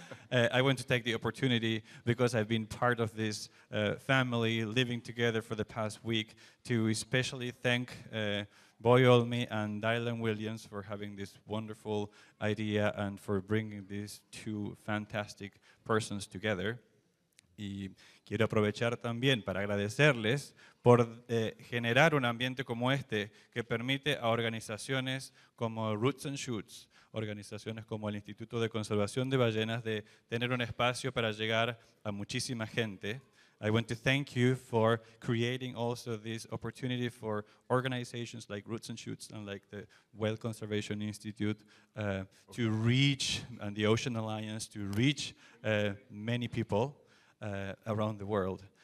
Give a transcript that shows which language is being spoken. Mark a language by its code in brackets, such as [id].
[en] I want to take the opportunity, because I've been part of this family living together for the past week, to especially thank Boy Olmi and Dylan Williams for having this wonderful idea and for bringing these two fantastic persons together. [es] Y quiero aprovechar también para agradecerles por generar un ambiente como este que permite a organizaciones como Roots and Shoots, organizaciones como el Instituto de Conservación de Ballenas, de tener un espacio para llegar a muchísima gente. [en] I want to thank you for creating also this opportunity for organizations like Roots and Shoots and like the Whale Conservation Institute to reach, and the Ocean Alliance, to reach many people around the world.